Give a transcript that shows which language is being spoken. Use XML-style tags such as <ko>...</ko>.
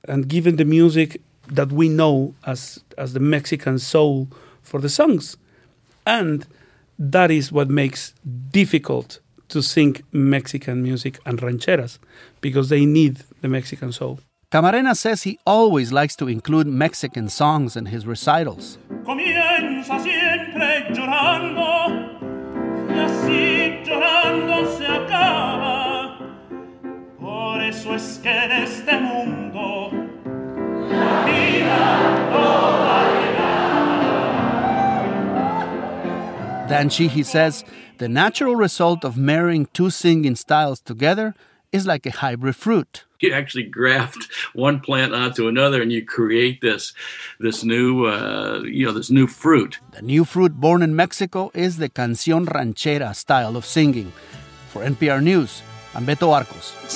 <en>And given the music that we know as the Mexican soul for the songs. And that is what makes difficult to sing Mexican music and rancheras, because they need the Mexican soul. Camarena says he always likes to include Mexican songs in his recitals.</en> <es>Comienza siempre llorando, y así llorando se acaba. Por eso es que en este mundo la vida no va a llegar.</es> <en>Then she, he says, the natural result of marrying two singing styles together is like a hybrid fruit. You actually graft one plant onto another and you create this new fruit. The new fruit born in Mexico is the canción ranchera style of singing. For NPR News, I'm Beto Arcos.</en>